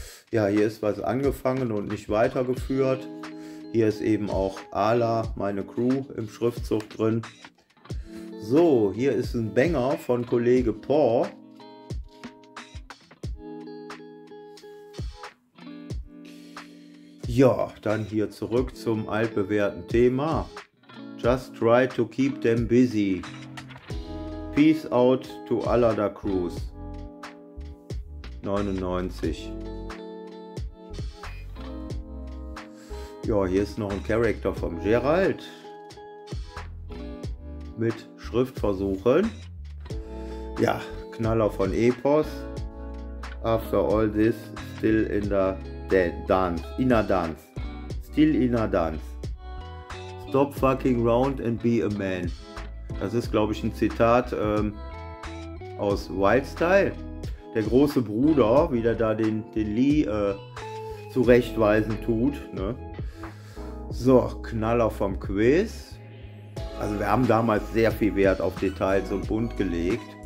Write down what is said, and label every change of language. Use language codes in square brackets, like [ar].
[de] Ja, hier ist was angefangen und nicht weitergeführt. Hier ist eben auch Ala, meine Crew, im Schriftzug drin. So, hier ist ein Banger von Kollege Paw. Ja, dann hier zurück zum altbewährten Thema. [en] Just try to keep them busy. Peace out to Ala da Cruz. 99. [de] Ja, hier ist noch ein Charakter vom Gerald mit Schriftversuchen. Ja, Knaller von Epos. [en] After all this, still in the dance. Inner dance. Still inner dance. Stop fucking round and be a man. [de] Das ist, glaube ich, ein Zitat aus Wildstyle. Der große Bruder, wie der da den Lee zurechtweisen tut, ne? So, Knaller vom Quiz. Also wir haben damals sehr viel Wert auf Details und bunt gelegt.